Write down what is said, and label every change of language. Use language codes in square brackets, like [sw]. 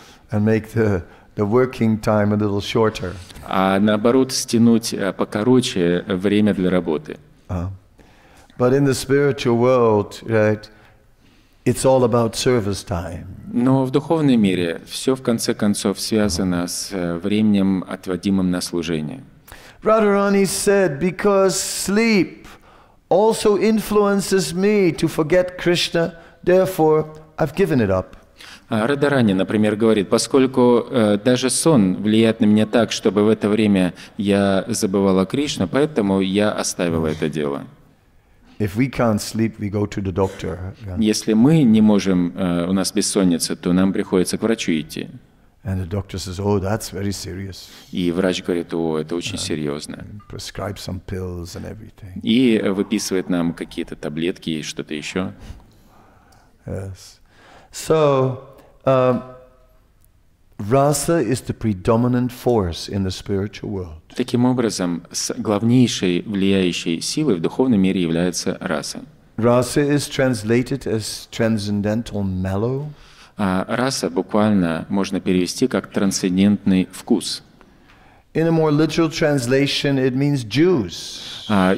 [en] And make the working time a little shorter. [ru] А наоборот, стянуть покороче время для работы. [en] But in the spiritual world, right, it's all about service time. [ru] Но в духовном мире все, в конце концов, связано с временем, отводимым на служение. [en] Radharani said, because sleep also influences me to forget Krishna, therefore I've given it up. [ru] Радарани, например, говорит, поскольку даже сон влияет на меня так, чтобы в это время я забывала Кришну, поэтому я оставила это дело. [en] If we can't sleep, we go to the doctor. [ru] Если мы не можем, у нас бессонница, то нам приходится к врачу идти. [en] And the doctor says, "Oh, that's very serious." [ru] И врач говорит, о, это очень серьезно. [en] Prescribe some pills and everything. [ru] И выписывает нам какие-то таблетки и что-то еще. [en] Yes. So, rasa is the predominant force in the spiritual world. [ru] Таким образом, главнейшей влияющей силой в духовном мире является раса. [en] Rasa is translated as transcendental mellow. [ru] Раса буквально можно перевести как трансцендентный вкус. [en] In a more literal translation, it means juice.